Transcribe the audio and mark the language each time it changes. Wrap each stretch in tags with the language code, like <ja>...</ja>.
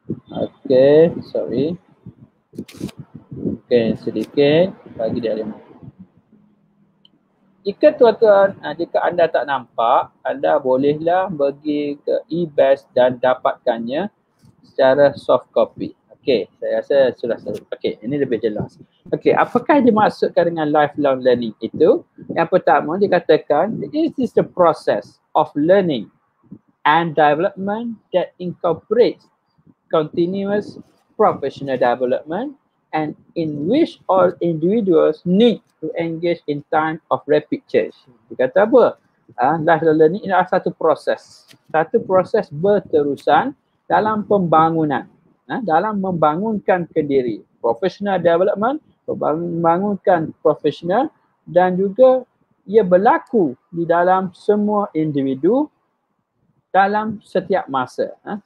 <ms>Okey, sorry. Okey, sedikit bagi dia 5. Jika tuan-tuan, jika anda tak nampak, anda bolehlah pergi ke e-best dan dapatkannya secara soft copy. Okey, saya rasa sudah selesai. Okey, ini lebih jelas. Okey, apakah dimaksudkan dengan lifelong learning itu? Yang pertama, dikatakan,</ms> <en>this is the process of learning and development that incorporates continuous professional development and in which all individuals need to engage in time of rapid change.</en> <ms>Dia kata apa? Lifelong learning ini adalah satu proses. Satu proses berterusan dalam pembangunan. Dalam membangunkan kendiri. Professional development, membangunkan profesional dan juga ia berlaku di dalam semua individu dalam setiap masa.</ms>